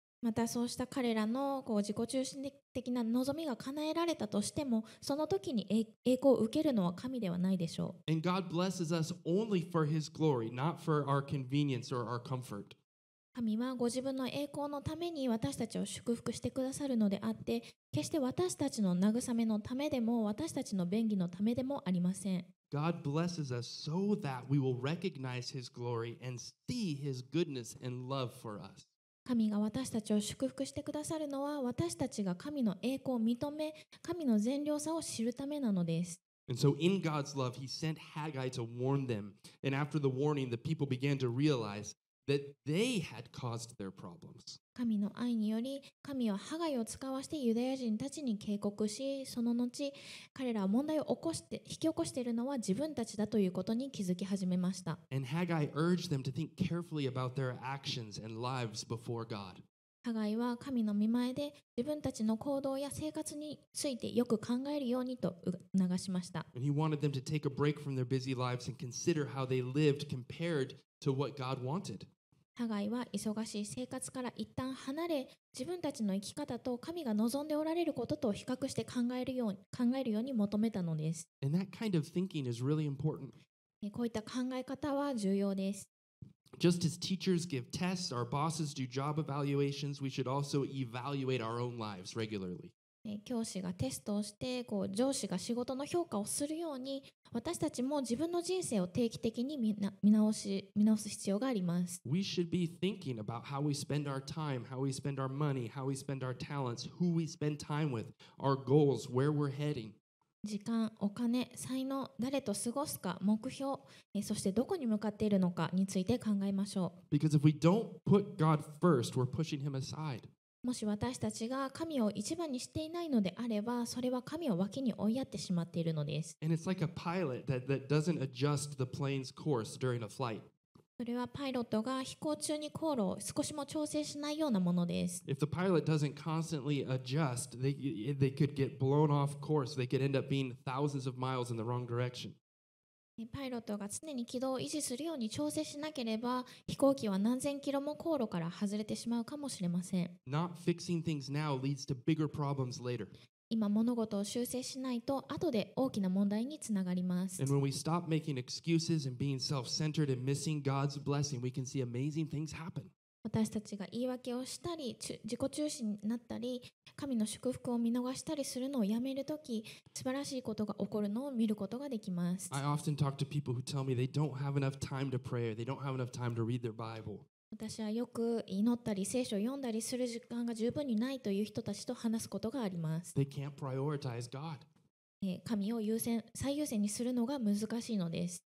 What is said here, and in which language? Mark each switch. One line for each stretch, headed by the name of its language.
Japanese: またそうした彼らのこう自己中心的な望みが叶えられたとしても、その時に栄光を受けるのは神ではないでしょう。
English: And God blesses us only for His glory, not for our convenience or our comfort.
Japanese: 神はご自分の栄光のために私たちを祝福してくださるのであって、決して私たちの慰めのためでも、私たちの便宜のためでもありません。
English: God blesses us so that we will recognize His glory and see His goodness and love for us.
Japanese: 神が私たちを祝福してくださるのは、私たちが神の栄光を認め、神の善良さを知るためなのです。
English: And so in God's love, He sent Haggai to warn them. And after the warning, the people began to realize. That they had caused their problems.
Japanese: 神の愛により神はハガイを使わせてユダヤ人たちに警告し、その後彼らは問題を起こして引き起こしているのは自分たちだということに気づき始めました。
English: And Haggai urged them to think carefully about their actions and lives before God.
Japanese: ハガイは神の御前で自分たちの行動や生活についてよく考えるようにと促しました。
English: And he wanted them to take a break from their busy lives and consider how they lived compared. To what God wanted.
Japanese: ハガイは忙しい生活から一旦離れ、自分たちの生き方と神が望んでおられることと比較して考えるように求めたのです。
English: And that kind of thinking is really important.
Japanese: こういった考え方は重要です。
English: Just as teachers give tests, our bosses do job evaluations, we should also evaluate our own lives regularly.
Japanese: 教師がテストをしてこう上司が仕事の評価をするように私たちも自分の人生を定期的に見直す必要があります。
English: We should be thinking about how we spend our time, how we spend our money, how we spend our talents, who we spend time with, our goals, where we're heading.
Japanese: 時間、お金、才能、誰と過ごすか、目標、そしてどこに向かっているのかについて考えましょう。
English: Because if we don't put God first, we're pushing Him aside.
Japanese: もし私たちが神を一番にしていないのであれば、それは神を脇に追いやってしまっているのです。
English: And it's like a pilot that doesn't adjust the plane's course during a flight.
Japanese: それはパイロットが飛行中に航路を少しも調整しないようなものです。
English: If the pilot doesn't constantly adjust, they could get blown off course. They could end up being thousands of miles in the wrong direction.
Japanese: パイロットが常に軌道を維持するように調整しなければ、飛行機は何千キロも航路から外れてしまうかもしれません。
English: Not fixing things now leads to bigger problems later.
Japanese: 今物事を修正しないと、後で大きな問題につながります。
English: And when we stop making excuses and being self-centered and missing God's blessing, we can see amazing things happen.
Japanese: 私たちが言い訳をしたり、自己中心になったり、神の祝福を見逃したりするのをやめるとき、素晴らしいことが起こるのを見ることができます。
English: I often talk to people who tell me they don't have enough time to pray, they don't have enough time to read their Bible.
Japanese: 私はよく祈ったり、聖書を読んだりする時間が十分にないという人たちと話すことがあります。
English: They can't prioritize God.
Japanese: 神を最優先にするのが難しいのです。